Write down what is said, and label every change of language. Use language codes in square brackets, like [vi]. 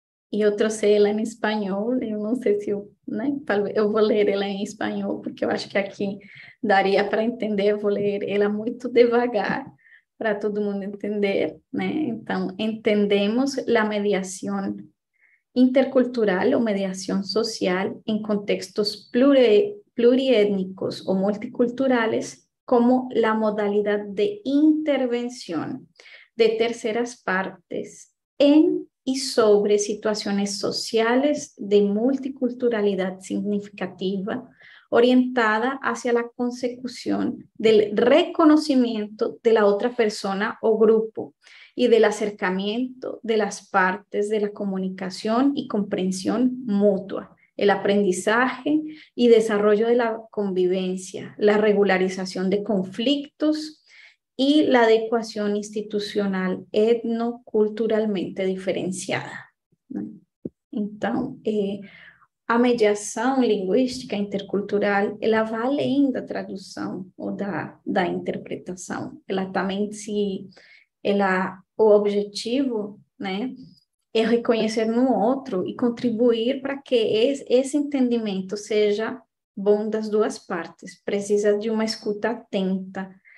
[pt] E eu trouxe ela em espanhol, eu não sei se eu, né, eu vou ler ela em espanhol, porque eu acho que aqui daria para entender, eu vou ler ela muito devagar para todo mundo entender, né? [es] Então, entendemos la mediación intercultural o mediación social en contextos pluriétnicos o multiculturales como la modalidad de intervención de terceras partes en y sobre situaciones sociales de multiculturalidad significativa, orientada hacia la consecución del reconocimiento de la otra persona o grupo y del acercamiento de las partes de la comunicación y comprensión mutua. El aprendizaje y desarrollo de la convivencia, la regularización de conflictos y la adecuación institucional etnoculturalmente diferenciada. [pt] Então, a mediação linguística intercultural, ela vai além da tradução ou da interpretação. Ela também se ela o objetivo, né? É reconhecer no outro e contribuir para que esse entendimento seja bom das duas partes. Precisa de uma escuta atenta,